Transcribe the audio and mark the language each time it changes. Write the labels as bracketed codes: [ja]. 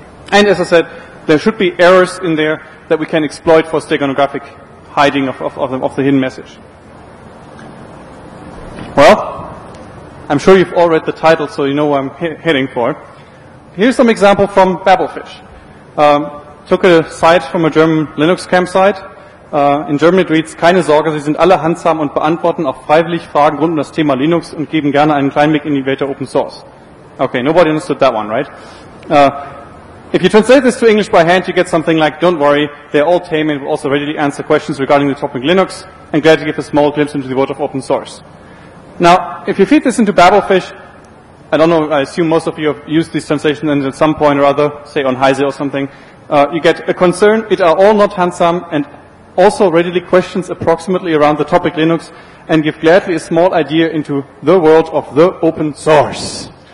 [en] And as I said, there should be errors in there that we can exploit for steganographic hiding of the hidden message. Well, I'm sure you've all read the title, so you know what I'm heading for. Here's some example from Babelfish. took a site from a German Linux campsite. In Germany it reads, [de] keine Sorge, Sie sind alle handsam und beantworten auch freiwillig Fragen rund um das Thema Linux und geben gerne einen kleinen Blick in die Welt der Open Source. [en] Okay, nobody understood that one, right? If you translate this to English by hand, you get something like, don't worry, they're all tame and will also readily answer questions regarding the topic Linux and glad to give a small glimpse into the world of open source. Now, if you feed this into Babelfish, I don't know, I assume most of you have used these translation engines at some point or other, say on Heise or something, you get a concern, it are all not handsome and also readily questions approximately around the topic Linux and give gladly a small idea into the world of the open source.